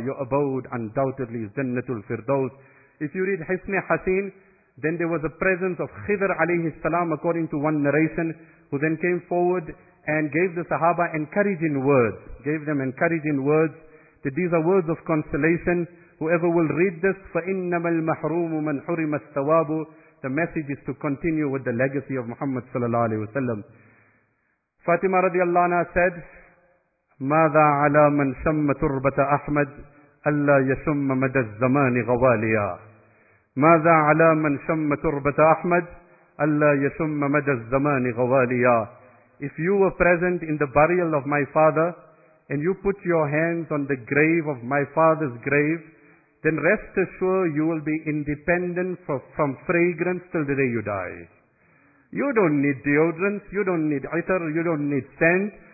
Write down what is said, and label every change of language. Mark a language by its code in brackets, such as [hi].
[en] Your abode undoubtedly is jannatul firdaus. If you read Hisni Haseen, then there was a presence of Khidr alayhi salam, according to one narration, who then came forward and gave the Sahaba encouraging words. Gave them encouraging words, that these are words of consolation. Whoever will read this, [ar] فَإِنَّمَا الْمَحْرُومُ مَنْ حُرِمَ الثَّوَابُ. [en] The message is to continue with the legacy of Muhammad sallallahu alayhi wa sallam. Fatima radiallahu anha said, [ar] مَاذَا عَلَى مَنْ شَمَّ تُرْبَةَ أَحْمَدُ أَلَّا يَشُمَّ مَدَى الزَّمَانِ غَوَالِيَا. ماذا على من شم تربة أحمد ألا يشم مدى الزمان غواليا. [en] if you were present in the burial of my father, and you put your hands on the grave of my father's grave, then rest assured you will be independent from fragrance till the day you die. You don't need deodorants, you don't need itar, you don't need scent.